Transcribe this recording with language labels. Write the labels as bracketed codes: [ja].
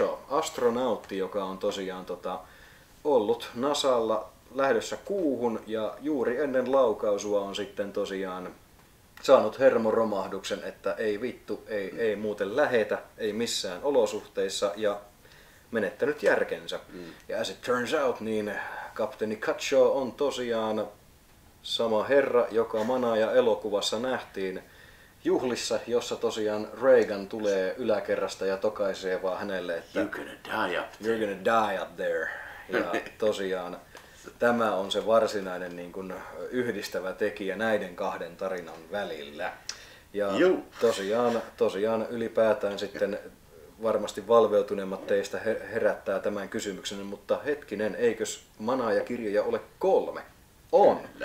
[fi] astronautti, joka on tosiaan ollut NASAlla lähdössä kuuhun ja juuri ennen laukaisua on sitten tosiaan saanut hermoromahduksen, että ei vittu, ei muuten lähetä, ei missään olosuhteissa, ja menettänyt järkensä. Ja [en] as it turns out, [fi] niin kapteeni Kershaw on tosiaan sama herra, joka Manaaja-elokuvassa nähtiin juhlissa, jossa tosiaan Reagan tulee yläkerrasta ja tokaisee vaan hänelle, että [en] you're gonna die up there. [fi] Ja tosiaan tämä on se varsinainen niin kuin yhdistävä tekijä näiden kahden tarinan välillä. Ja tosiaan ylipäätään sitten varmasti valveutuneimmat teistä herättää tämän kysymyksen, mutta hetkinen, eikös Manaaja-kirjoja ole 3? On.